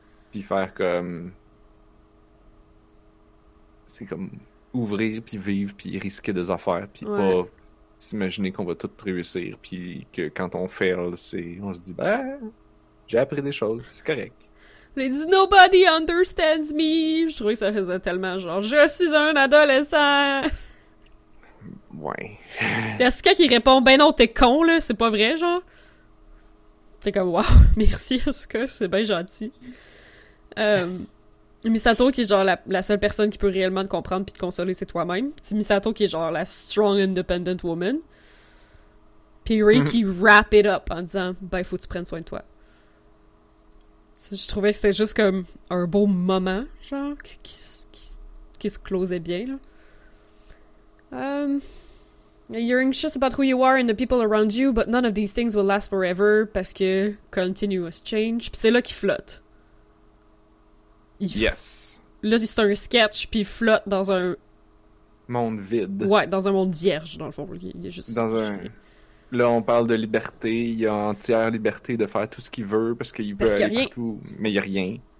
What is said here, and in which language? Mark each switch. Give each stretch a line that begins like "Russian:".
French: Puis faire comme. C'est comme ouvrir, puis vivre, puis risquer des affaires, puis ouais. Pas s'imaginer qu'on va tout réussir, puis que quand on fail, on se dit, ben, j'ai appris des choses, c'est correct.
English: They did nobody understands me.
French: Je trouvais que ça faisait tellement genre je suis un adolescent. Ouais. Y'a Asuka qui répond ben non t'es con là c'est pas vrai genre. T'es comme wow merci Asuka c'est bien gentil. Misato qui est genre la seule personne qui peut réellement te comprendre puis te consoler c'est toi-même. Puis Misato qui est genre la
English: strong independent woman.
French: Puis Ricky
English: wrap it up
French: en disant « Ben, faut que tu prennes soin de toi. » Je trouvais que c'était juste comme un beau moment, genre, qui se closait bien, là.
English: You're anxious about who you are and the people around you, but none of these things will last forever
French: parce que
English: continuous change.
French: Puis c'est là qu'il flotte.
English: Yes.
French: Là, c'est un sketch, puis il flotte dans un... monde vide. Ouais, dans un monde vierge, dans le fond. Il est juste... dans un... là, on parle de liberté. Il a entière liberté de faire tout ce qu'il veut parce qu'il peut aller partout. Mais il n'y a rien.